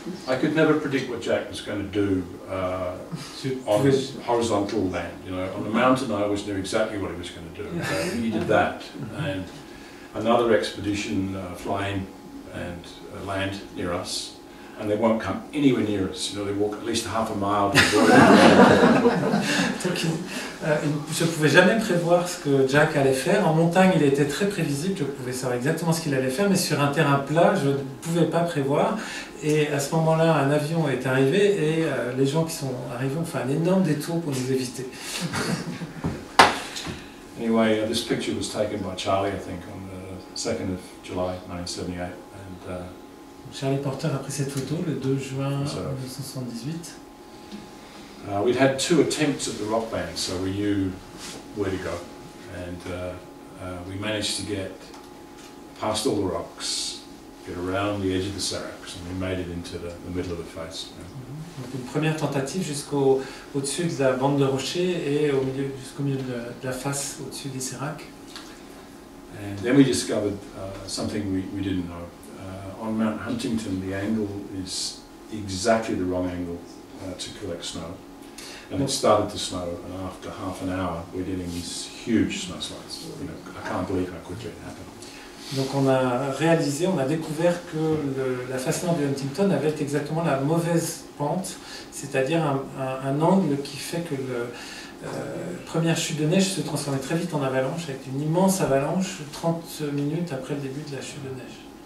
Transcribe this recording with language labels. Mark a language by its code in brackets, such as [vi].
[en] I could never predict what Jack was going to do on horizontal land. On the mountain, I always knew exactly what he was going to do. He did that, and another expedition flying and land near us. And they won't come anywhere near us. They walk at least half a mile. [fr] Donc, je ne pouvais jamais prévoir ce que Jack allait faire. En montagne, il était très prévisible. Je pouvais savoir exactement ce qu'il allait faire. Mais sur un terrain plat, je ne pouvais pas prévoir. Et à ce moment-là, un avion est arrivé. Et les gens qui sont arrivés ont fait un énorme détour pour nous éviter. [en] Anyway, this picture was taken by Charlie, I think, on the 2nd of July, 1978. [fr] Charlie Porter a pris cette photo le 2 juin 1978. [en] We'd had 2 attempts at the rock band, so we knew where to go. And we managed to get past all the rocks, get around the edge of the Saraks, and we made it into the middle of the face. [fr] Donc une première tentative jusqu'au-dessus de la bande de rochers et jusqu'au milieu de la face, au-dessus des Saraks. [en] And then we discovered something we didn't know. On Mount Huntington, the angle is exactly the wrong angle to collect snow. And it started to snow, and after half an hour, we're getting these huge snowslides. I can't believe how quickly it happened. [fr] Donc on a découvert que la face nord de Huntington avait exactement la mauvaise pente, c'est-à-dire un angle qui fait que la première chute de neige se transformait très vite en avalanche, avec une immense avalanche 30 minutes après le début de la chute de neige.